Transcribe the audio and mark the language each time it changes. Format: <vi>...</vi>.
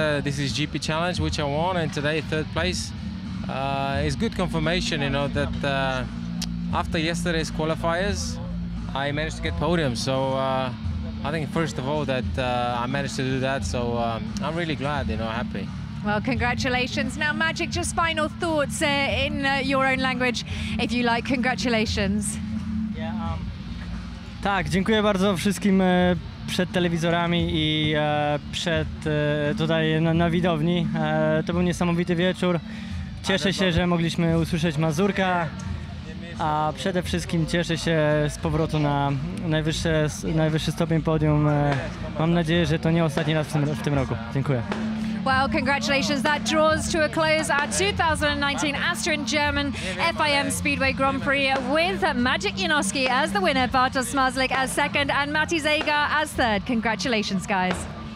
<en>This is GP Challenge, which I won, and today third place. It's good confirmation, you know, that after yesterday's qualifiers, I managed to get podium. So I think first of all that I managed to do that. So I'm really glad, you know, happy. Well, congratulations. Now, Magic, just final thoughts in your own language, if you like. Congratulations. Yeah.</en> <pl>Tak, dziękuję bardzo wszystkim. Przed telewizorami i przed tutaj na widowni. To był niesamowity wieczór. Cieszę się, że mogliśmy usłyszeć Mazurka, a przede wszystkim cieszę się z powrotu na najwyższy stopień podium. Mam nadzieję, że to nie ostatni raz w tym roku. Dziękuję.</pl> <en>Well, congratulations. That draws to a close our 2019 AZTORIN German FIM Speedway Grand Prix with Magic Janoski as the winner, Bartosz Smarzlik as second, and Matti Zegar as third. Congratulations, guys.</en>